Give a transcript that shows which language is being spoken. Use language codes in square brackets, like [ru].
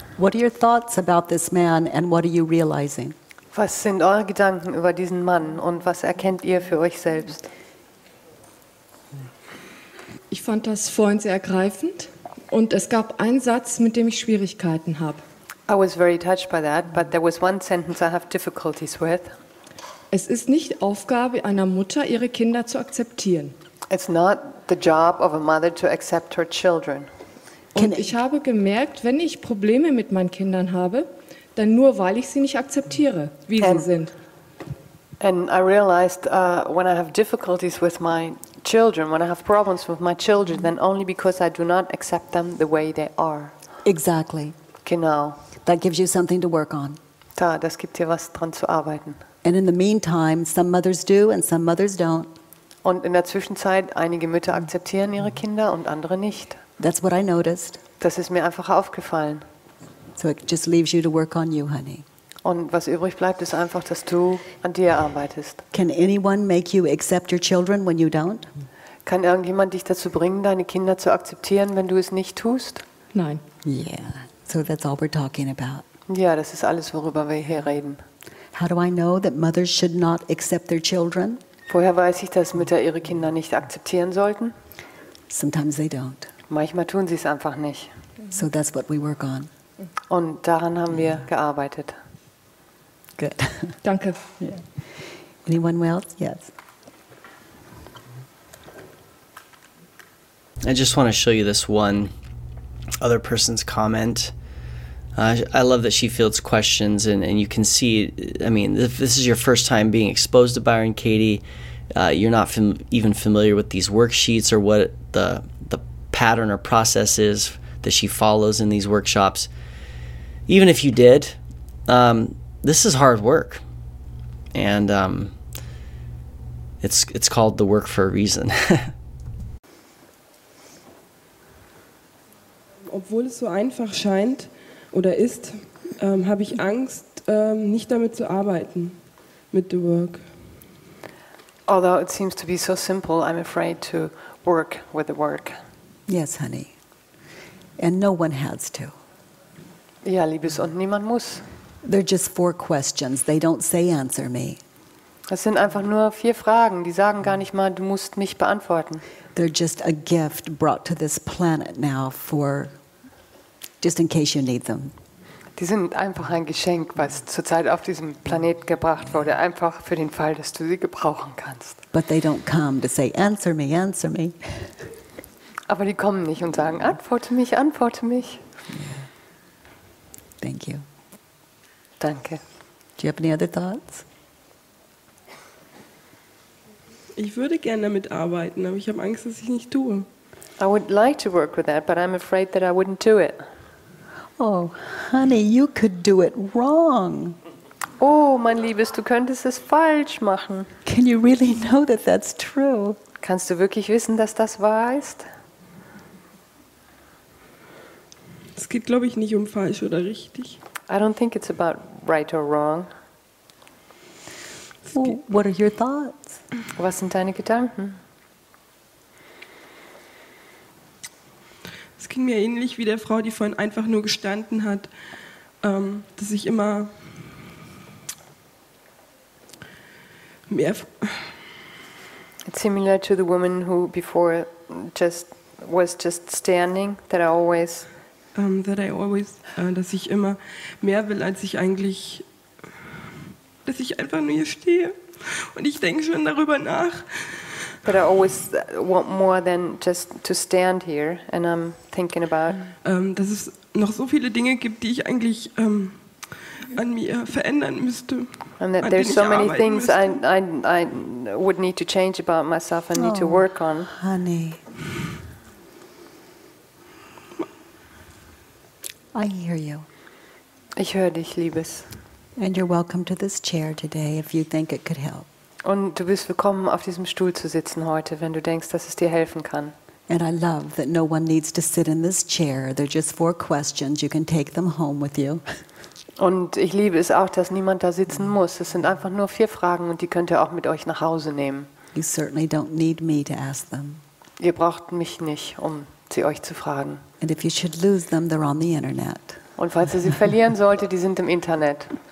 [en] What are your thoughts about this man and what are you realizing? [de] Was sind eure Gedanken über diesen Mann und was erkennt ihr für euch selbst? Ich fand das vorhin sehr ergreifend und es gab einen Satz, mit dem ich Schwierigkeiten habe. [en] I was very touched by that, but there was one sentence I have difficulties with. [de] Es ist nicht Aufgabe einer Mutter, ihre Kinder zu akzeptieren. [en] It's not the job of a mother to accept her children. [de] Und ich habe gemerkt, wenn ich Probleme mit meinen Kindern habe, dann nur, weil ich sie nicht akzeptiere, wie sie sind. [en] And I realized when I have difficulties with my children, when I have problems with my children, then only because I do not accept them the way they are. Exactly. [de] Genau. [en] That gives you something to work on. [de] Da, das gibt dir was dran zu arbeiten. [en] And in the meantime, some mothers do and some mothers don't. [de] Und in der Zwischenzeit, einige Mütter akzeptieren ihre Kinder und andere nicht. [en] That's what I noticed. [de] Das ist mir einfach aufgefallen. [en] So it just leaves you to work on you, honey. [de] Und was übrig bleibt, ist einfach, dass du an dir arbeitest. [en] Can anyone make you accept your children when you don't? [de] Kann irgendjemand dich dazu bringen, deine Kinder zu akzeptieren, wenn du es nicht tust? Nein. [en] Yeah, so that's all we're talking about. [de] Ja, das ist alles, worüber wir hier reden. [en] How do I know that mothers should not accept their children? [de] Woher weiß ich, dass Mütter ihre Kinder nicht akzeptieren sollten? [en] Sometimes they don't. [de] Manchmal tun sie es einfach nicht. [en] So that's what we work on. [de] Und daran haben wir gearbeitet. [en] Good. [de] Danke. [en] Yeah. Anyone else? Yes. I just want to show you this one other person's comment. I love that she fields questions, and you can see, I mean, if this is your first time being exposed to Byron Katie, you're not even familiar with these worksheets or what the pattern or process is that she follows in these workshops. Even if you did, this is hard work, and it's called the work for a reason. [de] Obwohl es so einfach scheint oder ist, habe ich Angst, nicht damit zu arbeiten, mit the work. [en] Although it seems to be so simple, I'm afraid to work with the work. Yes, honey. And no one has to. [de] Ja, Liebes, und niemand muss. [en] They're just four questions. They don't say answer me. [de] Es sind einfach nur vier Fragen. Die sagen gar nicht mal, du musst mich beantworten. [en] They're just a gift brought to this planet now for just in case you need them. [de] Die sind einfach ein Geschenk, was zurzeit auf diesem Planet gebracht wurde, einfach für den Fall, dass du sie gebrauchen kannst. [en] But they don't come to say answer me, answer me. [de] Aber die kommen nicht und sagen, antworte mich, antworte mich. [en] Thank you. [de] Danke. [en] Do you have any other thoughts? [de] Ich würde gerne damit arbeiten, aber ich habe Angst, dass ich nicht tue. [en] I would like to work with that, but I'm afraid that I wouldn't do it. Oh, honey, you could do it wrong. [de] Oh, mein Liebes, du könntest es falsch machen. [en] Can you really know that that's true? [de] Kannst du wirklich wissen, dass das wahr ist? Es geht, glaube ich, nicht um falsch oder richtig. [en] I don't think it's about right or wrong. Well, what are your thoughts? [de] Was sind deine Gedanken? Es ging mir ähnlich wie der Frau, die vorhin einfach nur gestanden hat, dass ich immer mehr... [en] It's similar to the woman who before just was just standing, that I always... [de] Dass ich immer mehr will, als ich eigentlich, dass ich einfach nur hier stehe und ich denke schon darüber nach. [en] But I always want more than just to stand here and I'm thinking about. [de] Dass es noch so viele Dinge gibt, die ich eigentlich an mir verändern müsste. [en] And that there's so many things I would need to change about myself and need to work on. Honey. I hear you. [de] Ich höre dich, Liebes. [en] And you're welcome to this chair today if you think it could help. [de] Und du bist willkommen auf diesem Stuhl zu sitzen heute, wenn du denkst, dass es dir helfen kann. [en] And I love that no one needs to sit in this chair. They're just four questions. You can take them home with you. [de] Und ich liebe es auch, dass niemand da sitzen muss. Es sind einfach nur vier Fragen und die könnt ihr auch mit euch nach Hause nehmen. [en] You certainly don't need me to ask them. [de] Ihr braucht mich nicht, um sie euch zu fragen. [en] And if you should lose them, they're on the internet. [de] Und falls ihr sie verlieren solltet, die sind im Internet.